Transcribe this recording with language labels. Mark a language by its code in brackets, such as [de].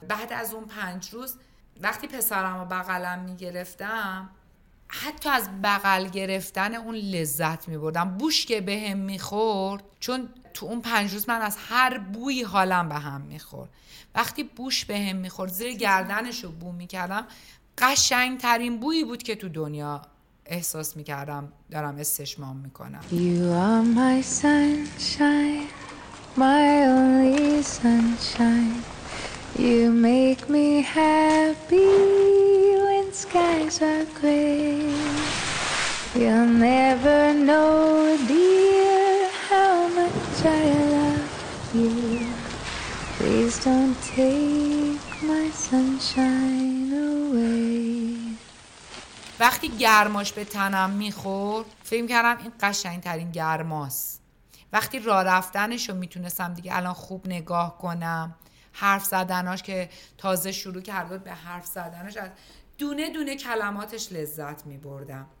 [fa] بعد از اون 5 روز وقتی پسرم رو بغلم میگرفتم، حتی از بغل گرفتن اون لذت میبردم. بوش که به هم میخورد، چون تو اون 5 روز من از هر بویی حالم به هم میخورد، وقتی بوش به هم میخورد، زیر گردنش رو بو میکردم، قشنگ ترین بویی بود که تو دنیا احساس میکردم دارم استشمام میکنم. [en] You are my sunshine, my only sunshine. You make me happy when skies are gray. You'll never know, dear, how much I love you. Please don't take my sunshine away. [fa] وقتی گرماش به تنم میخورد، فکر کردم این قشنگترین گرماست. وقتی راه رفتنش رو میتونستم دیگه الان خوب نگاه کنم، حرف زدناش که تازه شروع کرده به حرف زدناش، از دونه دونه کلماتش لذت میبردم.